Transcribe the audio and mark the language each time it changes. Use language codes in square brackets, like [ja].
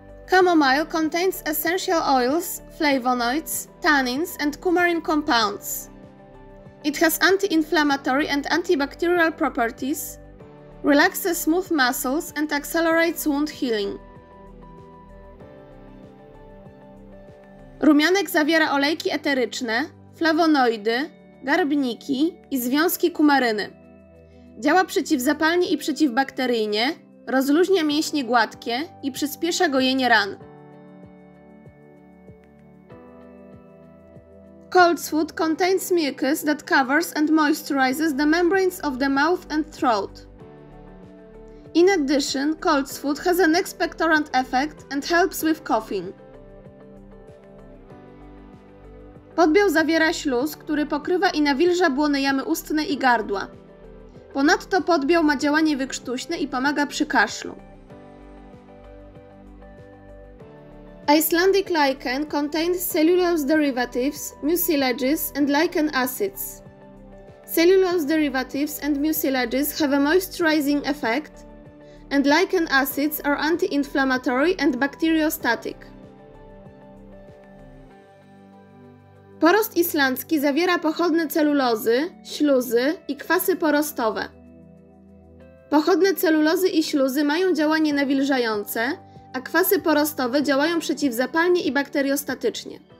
[en] Chamomile contains essential oils, flavonoids, tannins and coumarin compounds. It has anti-inflammatory and antibacterial properties, relaxes smooth muscles and accelerates wound healing. [pl] Rumianek zawiera olejki eteryczne, flawonoidy, garbniki i związki kumaryny. Działa przeciwzapalnie i przeciwbakteryjnie, rozluźnia mięśnie gładkie i przyspiesza gojenie ran. [en] Coltsfoot contains mucus that covers and moisturizes the membranes of the mouth and throat. In addition, coltsfoot has an expectorant effect and helps with coughing. [pl] Podbiał zawiera śluz, który pokrywa i nawilża błony jamy ustne i gardła. Ponadto podbiał ma działanie wykrztuśne i pomaga przy kaszlu. [en] Icelandic lichen contains cellulose derivatives, mucilages and lichen acids. Cellulose derivatives and mucilages have a moisturizing effect and lichen acids are anti-inflammatory and bacteriostatic. [pl] Porost islandzki zawiera pochodne celulozy, śluzy i kwasy porostowe. Pochodne celulozy i śluzy mają działanie nawilżające, a kwasy porostowe działają przeciwzapalnie i bakteriostatycznie.